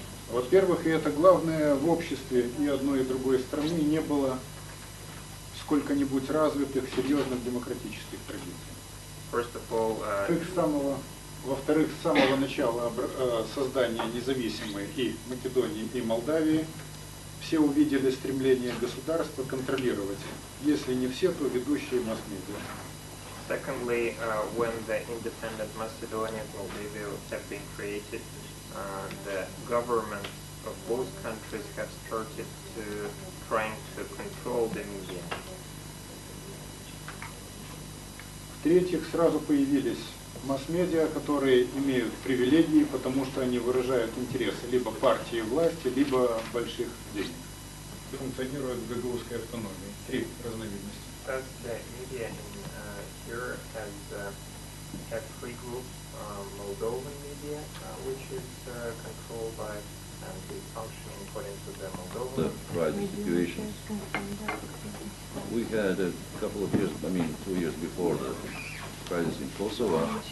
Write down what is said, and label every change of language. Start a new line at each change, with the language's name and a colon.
Russian: Во-первых, и это главное в обществе и одной и другой страны не было сколько-нибудь развитых, серьезных демократических традиций. Во-вторых, с самого начала создания независимой и Македонии, и Молдавии, все увидели стремление государства контролировать, если не все, то ведущие масс-медиа.
English: Secondly, when the independent Macedonia and Moldavia have been created, the government of both countries have started to trying to control the media.
Russian: В-третьих, сразу появились масс-медиа, которые имеют привилегии, потому что они выражают интересы либо партии власти, либо больших денег. Функционируют в гагаузской автономии. Три разновидности.
English: As the media here has three groups, Moldovan media, which is controlled by and is functioning according to the Moldovan. The rising situations. We had a couple of years, 2 years before the crisis in Kosovo.